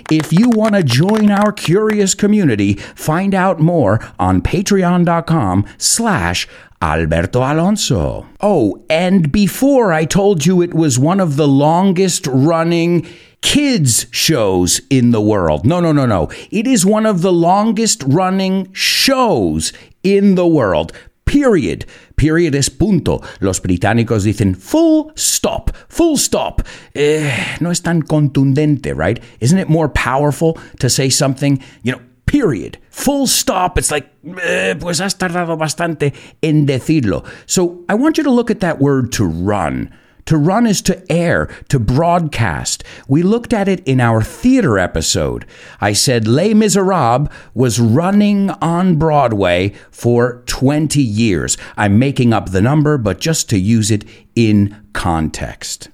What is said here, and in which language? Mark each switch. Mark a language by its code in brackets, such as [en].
[en] If you want to join our curious community, find out more on patreon.com/Alberto Alonso. Oh, and before I told you it was one of the longest running kids shows in the world. No. It is one of the longest running shows in the world. Period. Period [es] es punto. Los británicos dicen full stop. [en] Full stop. [es] No es tan contundente, right? [en] Isn't it more powerful to say something, you know, period. Full stop. It's like, [es] pues has tardado bastante en decirlo. [en] So I want you to look at that word to run. To run is to air, to broadcast. We looked at it in our theater episode. I said Les Miserables was running on Broadway for 20 years. I'm making up the number, but just to use it in context.